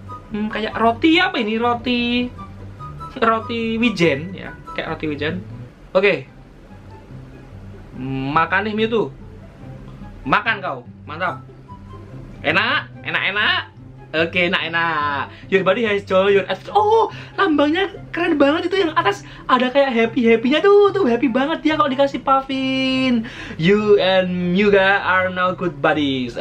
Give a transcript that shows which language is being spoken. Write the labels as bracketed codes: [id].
[id] Kayak roti apa ini? Roti wijen ya, kayak roti wijen. Oke. Makan nih Mewtwo. Makan kau. Mantap. Enak. Oke, enak. [en] Your body has joy, your adventure. [id] Oh, lambangnya keren banget itu yang atas. Ada kayak happy-happy-nya tuh. Happy banget dia kalau dikasih Puffin. [en] You and Muga are now good buddies.